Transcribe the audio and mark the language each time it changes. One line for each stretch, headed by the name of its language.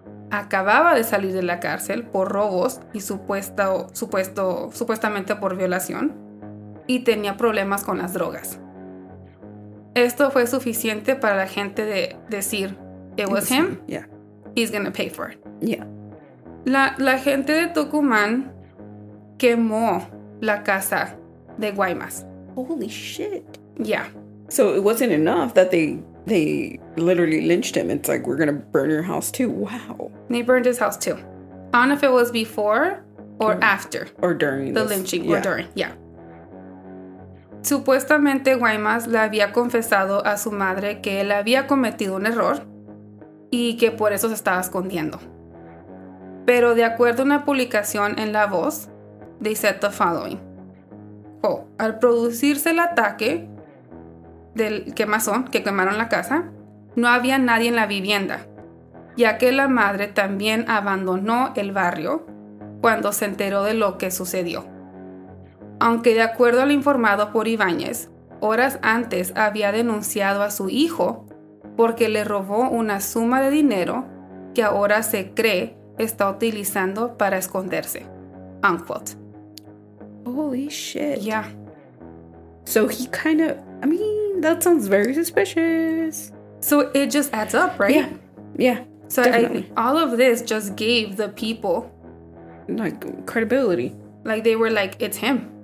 Spanish: Acababa de salir de la cárcel por robos y supuestamente por violación y tenía problemas con las drogas. Esto fue suficiente para la gente de decir
English: it was him. Yeah. He's gonna pay for it. Yeah.
Spanish: La gente de Tucumán quemó la casa de Guaymas.
English: Holy shit. Yeah. So it wasn't enough that they literally lynched him. It's like, we're going to burn your house too. Wow. They burned his house too. I don't know if it was before or after. Or during the lynching. Yeah. Or during. Yeah.
Spanish: Supuestamente Guaymas le había confesado a su madre que él había cometido un error y que por eso se estaba escondiendo. Pero de acuerdo a una publicación en La Voz,
English: they said the following.
Spanish: Oh, al producirse el ataque del quemazón que quemaron la casa, no había nadie en la vivienda, ya que la madre también abandonó el barrio cuando se enteró de lo que sucedió. Aunque de acuerdo al informado por Ibáñez, horas antes había denunciado a su hijo porque le robó una suma de dinero que ahora se cree está utilizando para esconderse.
English: Unquote. Holy shit. Yeah. So he kind of, I mean, that sounds very suspicious. So it just adds up, right? Yeah. So all of this just gave the people, like, credibility. Like, they were like, it's him.